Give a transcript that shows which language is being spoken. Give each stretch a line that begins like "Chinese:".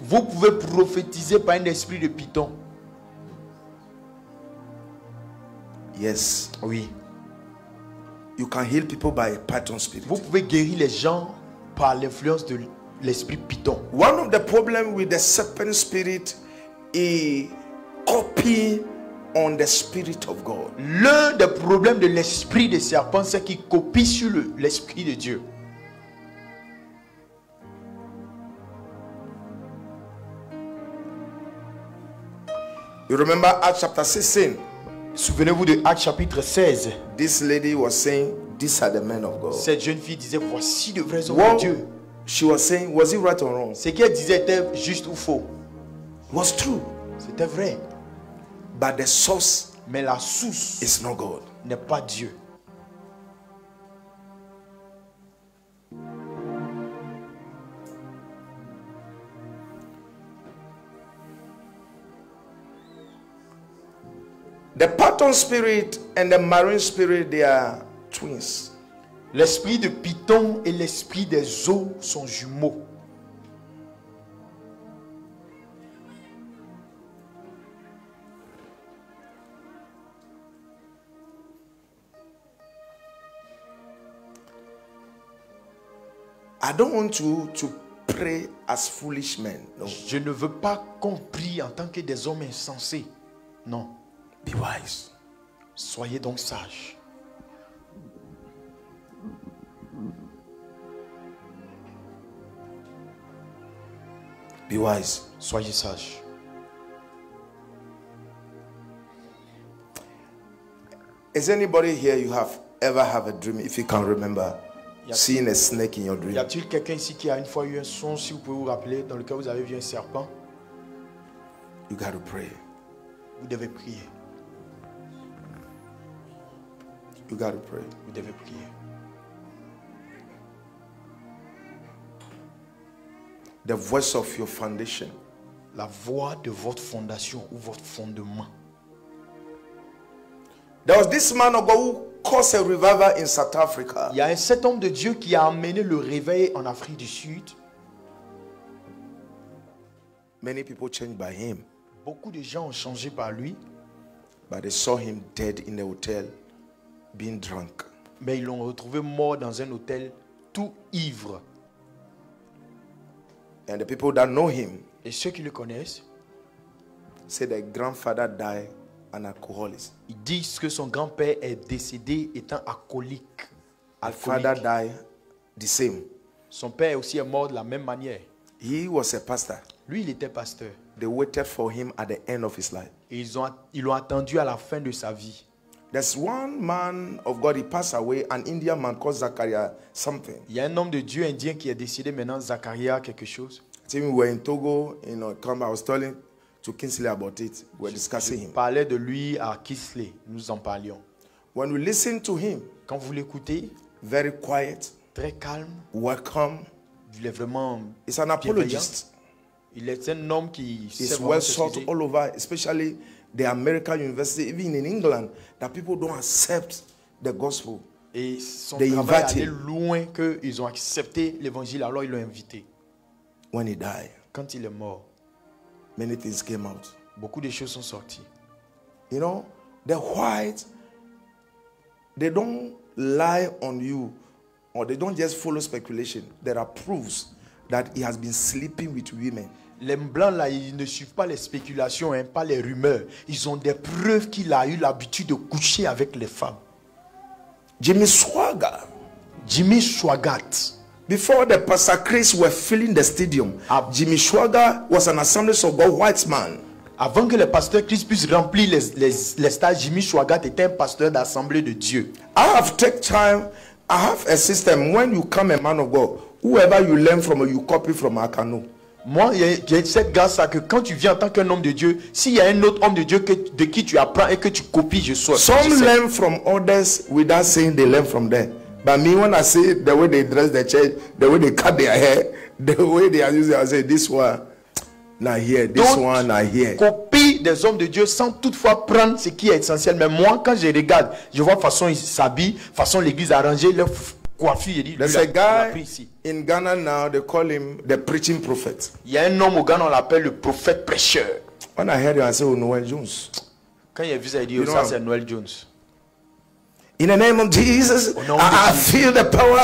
French: Vous pouvez prophétiser par un esprit de python.
English: Yes.
French: Oui.
English: You can heal people by python spirit.
French: Vous pouvez guérir les gens par l'influence de l'esprit python.
English: One of the problems with the serpent spirit is copying on the spirit of God.
French: L'un des problèmes de l'esprit des serpents, c'est qu'il copie sur l'esprit de Dieu.
English: You remember Acts chapter 16?
French: Souvenez-vous de Acts chapitre 16.
English: This lady was saying, "These are the men of God."
French: Cette jeune fille disait, voici de vrais hommes de Dieu.
English: She was saying, was it right or wrong?
French: Ce qu'elle disait était juste ou faux?
English: Was true.
French: C'était vrai.
English: But the source,
French: mais la source,
English: is not God.
French: N'est pas Dieu.
English: The Python spirit and the marine spirit, they are twins.
French: L'esprit de Python et l'esprit des eaux sont jumeaux.
English: I don't want you to pray as foolish men. No.
French: Je ne veux pas qu'on prie en tant que des hommes insensés. Non.
English: Be wise.
French: Soyez donc sages.
English: Be wise.
French: Soyez sage.
English: Is anybody here you have ever have a dream, if you can remember, seeing a snake in your dream?
French: Y a-t-il quelqu'un ici qui a une fois eu un son, si vous pouvez vous rappeler, dans lequel vous avez vu un serpent?
English: You got to pray.
French: Vous devez prier.
English: You got to pray.
French: Vous devez prier.
English: The voice of your foundation.
French: La voix de votre fondation ou votre fondement.
English: There was this man of God who caused a revival in South Africa.
French: Il y a un certain homme de Dieu qui a amené le réveil en Afrique du Sud.
English: Many people changed by him.
French: Beaucoup de gens ont changé par lui.
English: But they saw him dead in the hotel, being drunk.
French: Mais ils l'ont retrouvé mort dans un hôtel, tout ivre.
English: And the people that know him,
French: et ceux qui le connaissent,
English: say that grandfather died an alcoholic.
French: Ils disent que son grand-père est décédé étant alcoolique.
English: Father died the same.
French: Son père aussi est mort de la même manière.
English: He was a pastor.
French: Lui, il était pasteur.
English: They waited for him at the end of his life.
French: Et ils l'ont attendu à la fin de sa vie.
English: There's one man of God, he passed away, an Indian man called Zachariah something.
French: Il y a un homme de Dieu indien qui est décédé maintenant, Zachariah quelque chose.
English: Tim, we were in Togo, you know, come, I was telling to Kingsley about it. We're discussing him.
French: Je parlais de lui à Kingsley, nous en parlions.
English: When we listen to him,
French: quand vous l'écoutez,
English: very quiet,
French: très calme,
English: welcome,
French: il est vraiment,
English: he's an apologist.
French: Il est un homme qui
English: is well sought all over, especially the American university, even in England, that people don't accept the gospel.
French: Et son
English: they
French: travail allait loin que ils ont accepté l'évangile, alors ils l'ont invité.
English: When he died,
French: quand il est mort,
English: many things came out.
French: Beaucoup de choses sont sorties.
English: You know, the whites, they don't lie on you, or they don't just follow speculation. There are proofs that he has been sleeping with women.
French: Les blancs là, ils ne suivent pas les spéculations, hein, pas les rumeurs. Ils ont des preuves qu'il a eu l'habitude de coucher avec les femmes.
English: Jimmy Swaggart.
French: Jimmy Swaggart.
English: Before the Pastor Chris were filling the stadium, Jimmy Swaggart was an Assembly of God white man.
French: Avant que le pasteur Chris puisse remplir les stades, Jimmy Swaggart était un pasteur d'Assemblée de Dieu.
English: I have take time. I have a system. When you come a man of God, whoever you learn from, you copy from Akano.
French: Moi, j'ai cette grâce à que quand tu viens en tant qu'un homme de Dieu, s'il y a un autre homme de Dieu de qui tu apprends et que tu copies, je sois.
English: Some
French: je
English: learn from others without saying they learn from them. But me, when I see the way they dress their church, the way they cut their hair, the way they are using, I say this one, not here. This
French: Donc,
English: one, not here.
French: Copie des hommes de Dieu sans toutefois prendre ce qui est essentiel. Mais moi, quand je regarde, je vois façon ils s'habillent, façon l'église arrangée, leur
English: There's a guy in Ghana now, they call him the preaching prophet.
French: Il y a un homme au Ghana, on l'appelle le prophète prêcheur.
English: When I heard him, I said, oh, Noel Jones.
French: Quand il a vu ça, il dit, oh, ça, c'est Noel Jones.
English: In the name of Jesus, I feel the power.